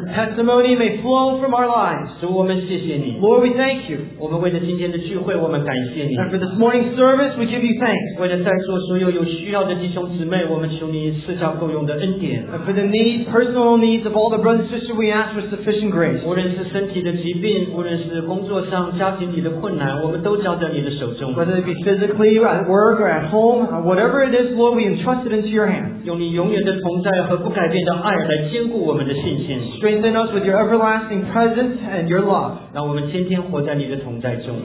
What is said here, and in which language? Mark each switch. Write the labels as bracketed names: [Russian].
[English] the testimony may flow from our lives. Lord, we thank you. [Chinese] 聚会，我们感谢你。 [English] And for this morning service, we give you thanks. [Chinese] 为了在座所有有需要的弟兄姊妹，我们求你赐下够用的恩典。 [English] And for the needs, personal needs of all the brothers and sisters, we ask for sufficient grace. [Chinese] 无论是身体的疾病，无论是工作上、家庭里的困难，我们都交在你的手中。 [English] Whether it be physically at work or at home, or whatever it is, Lord, we entrust it into your hands. [Chinese] 用你永远的同在和不改变的爱来坚固我们的信心。 [English] Strengthen us with your everlasting presence and your love. [Chinese] 让我们天天活在你的同在中。